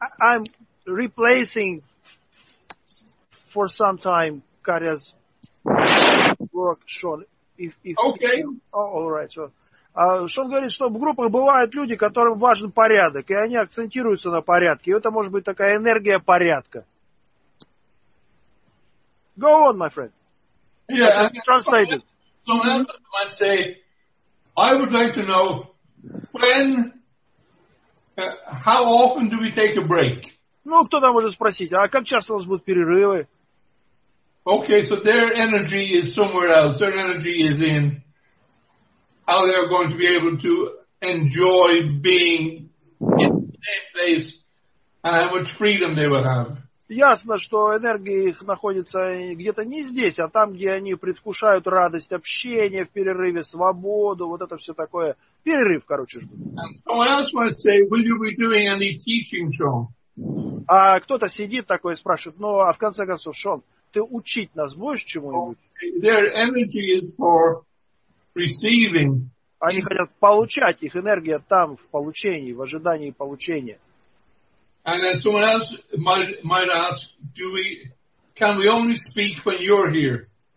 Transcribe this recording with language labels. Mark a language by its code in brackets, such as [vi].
[en] I'm replacing for some time Katya's work, Sean. If okay. All right. [ru] So, Sean говорит, что в группах бывают люди, которым важен порядок, и они акцентируются на порядке. И это может быть такая энергия порядка. [en] Go on, my friend. Yeah, some members might say, I would like to know when, how often do we take a break? [ru] Ну, кто-то может спросить, а как часто у нас будут перерывы? [en] Okay, so their energy is somewhere else. Their energy is in how they are going to be able to enjoy being in the same place and how much freedom they will have. [ru] ясно, что энергия их находится где-то не здесь, а там, где они предвкушают радость общения в перерыве, свободу, вот это все такое. Перерыв, короче. [en] So say, will you be doing any teaching, Sean? [ru] А кто-то сидит такой и спрашивает, ну, а в конце концов, Шон, ты учить нас будешь чему-нибудь? [en] Their energy is for receiving. [ru] Они хотят получать, их энергия там, в получении, в ожидании получения. [en] And then someone else might ask, do we, can we only speak when you're here?